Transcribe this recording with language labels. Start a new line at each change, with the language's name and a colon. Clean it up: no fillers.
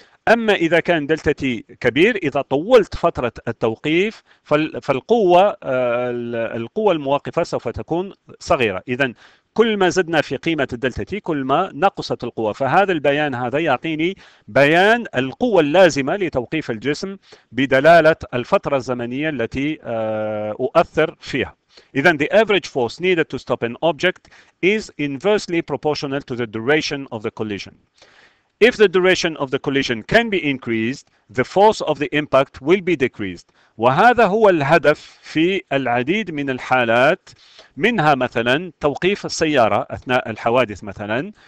Arabic: أما إذا كان دلتا تي كبير، إذا طولت فترة التوقيف القوة المواقفة سوف تكون صغيرة. إذن كل ما زدنا في قيمة الدلتا تي كل ما نقصت القوة. فهذا البيان هذا يعطيني بيان القوة اللازمة لتوقيف الجسم بدلالة الفترة الزمنية التي أؤثر فيها.
English: إذن the average force needed to stop an object is inversely proportional to the duration of the collision. If the duration of the collision can be increased, the force of the impact will be decreased.
Arabic: وهذا هو الهدف في العديد من الحالات، منها مثلا توقيف السيارة أثناء الحوادث مثلا.